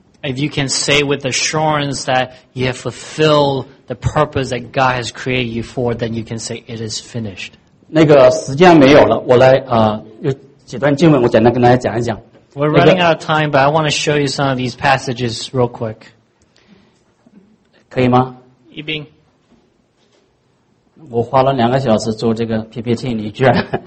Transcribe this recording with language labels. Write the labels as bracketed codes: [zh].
[en] If you can say with assurance that you have fulfilled the purpose that God has created you for, then you can say it is finished. [zh] 那个时间没有了，我来有几段经文，我简单跟大家讲一讲。 [en] We're running out of time, but I want to show you some of these passages real quick. [zh] 可以吗？一边。我花了两个小时做这个 PPT，你居然